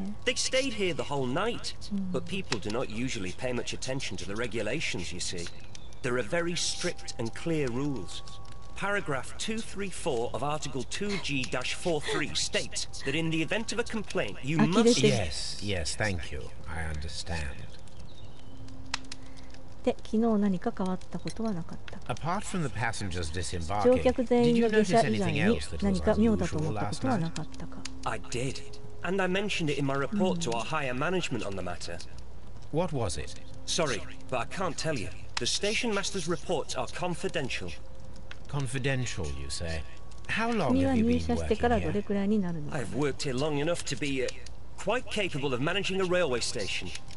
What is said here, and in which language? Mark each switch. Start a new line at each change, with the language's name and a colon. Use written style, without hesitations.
English: They stayed here the whole night, but people do not usually pay much attention to the regulations, you see. There are very strict and clear rules. Paragraph 234 of Article 2G-43 states that in the event of a complaint, you must... Yes, yes, thank you. I understand.
Japanese: で、昨日何か変わったことはなかった。
English: Apart from the passengers disembarking,
Japanese: 乗客全員の下車以外に何か妙だと思ったことはなかったか。
English: I did, and I mentioned it in my report to our higher management on the matter. What was it? Sorry, but I can't tell you. The station master's reports are confidential. Confidential, you say? How long have you been working here? I've worked here long enough to be quite capable of managing a railway station.